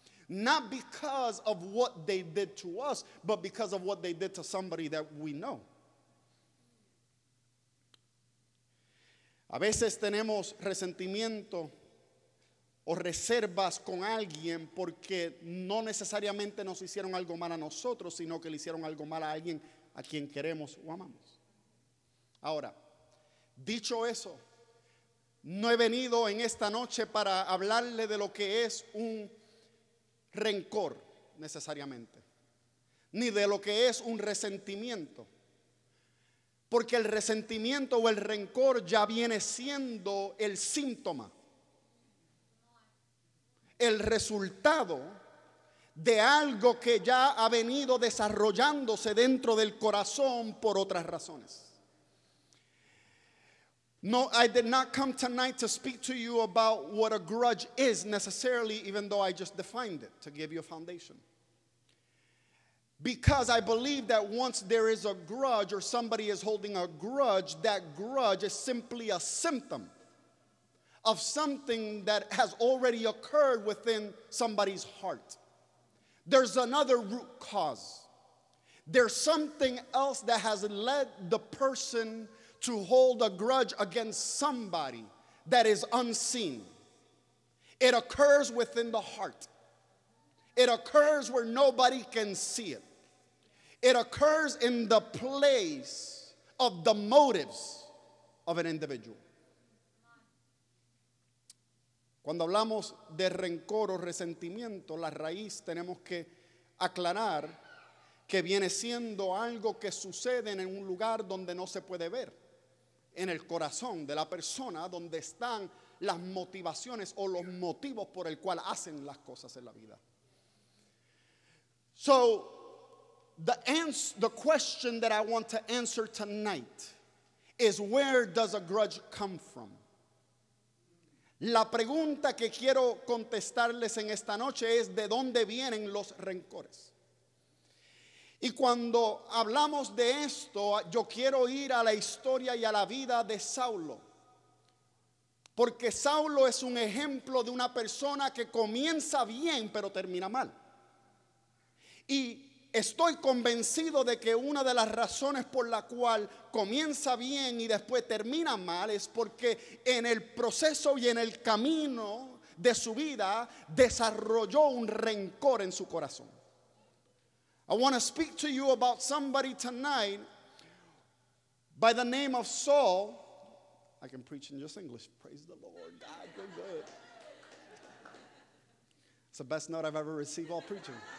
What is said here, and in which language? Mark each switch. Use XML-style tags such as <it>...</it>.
<en>Not because of what they did to us, but because of what they did to somebody that we know.</en> <es>A veces tenemos resentimiento o reservas con alguien porque no necesariamente nos hicieron algo mal a nosotros, sino que le hicieron algo mal a alguien a quien queremos o amamos. Ahora, dicho eso, no he venido en esta noche para hablarle de lo que es un rencor necesariamente, ni de lo que es un resentimiento, porque el resentimiento o el rencor ya viene siendo el síntoma, el resultado de algo que ya ha venido desarrollándose dentro del corazón por otras razones.</es> <en>No, I did not come tonight to speak to you about what a grudge is necessarily, even though I just defined it to give you a foundation. Because I believe that once there is a grudge or somebody is holding a grudge, that grudge is simply a symptom of something that has already occurred within somebody's heart. There's another root cause. There's something else that has led the person to hold a grudge against somebody that is unseen. It occurs within the heart. It occurs where nobody can see it. It occurs in the place of the motives of an individual.</en> <es>Cuando hablamos de rencor o resentimiento, la raíz tenemos que aclarar que viene siendo algo que sucede en un lugar donde no se puede ver. en el corazón de la persona donde están las motivaciones o los motivos por el cual hacen las cosas en la vida.</es> <en>So, the question that I want to answer tonight is, where does a grudge come from?</en> <es>La pregunta que quiero contestarles en esta noche es, ¿de dónde vienen los rencores? Y cuando hablamos de esto, yo quiero ir a la historia y a la vida de Saulo. Porque Saulo es un ejemplo de una persona que comienza bien, pero termina mal. Y estoy convencido de que una de las razones por la cual comienza bien y después termina mal es porque en el proceso y en el camino de su vida desarrolló un rencor en su corazón.</es> <en>I want to speak to you about somebody tonight by the name of Saul. I can preach in just English. Praise the Lord. God, you're good. It's the best note I've ever received while preaching.</en>